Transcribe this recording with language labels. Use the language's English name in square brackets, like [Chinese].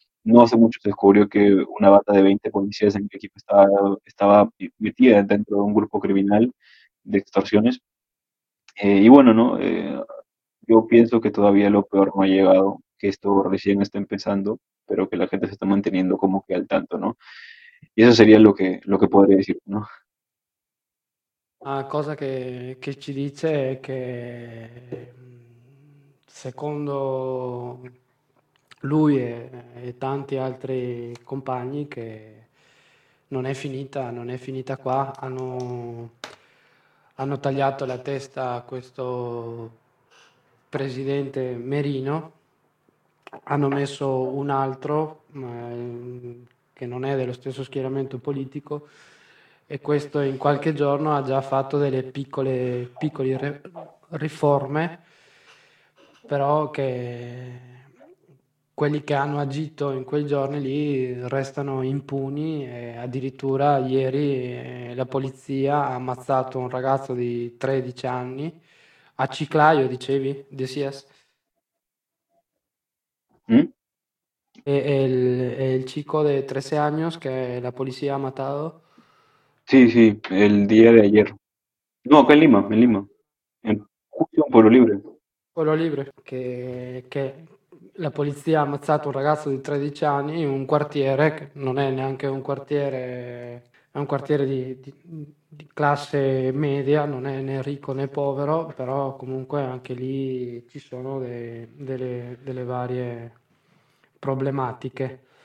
[Spanish] No hace mucho se descubrió que una banda de 20 policías en Arequipa estaba metida dentro de un grupo criminal de extorsiones. Y bueno, ¿no? Yo pienso que todavía lo peor no ha llegado, que esto recién está empezando, pero que la gente se está manteniendo como que al tanto, ¿no? Y eso sería lo que podría decir, ¿no? [Italian] Una cosa che ci dice è che secondo lui e tanti altri compagni che non è finita qua, hanno tagliato la testa a questo presidente Merino, hanno messo un altro che non è dello stesso schieramento politico. E questo in qualche giorno ha già fatto delle piccole riforme, però che quelli che hanno agito in quei giorni lì restano impuni. E addirittura ieri la polizia ha ammazzato un ragazzo di 13 anni a Ciclayo, dicevi? [Spanish] Decías? [Italian] E il [Spanish] chico [Italian] di 13 anni che la polizia ha matato. [Spanish] Sí, el día de ayer. No, acá en Lima, en Lima. En un pueblo libre. Pueblo Libre, que [Italian] La polizia ha ammazzato un ragazzo di 13 anni in un quartiere che non è neanche un quartiere, è un quartiere di classe media, non è né ricco né povero, però comunque anche lì ci sono delle varie problematiche.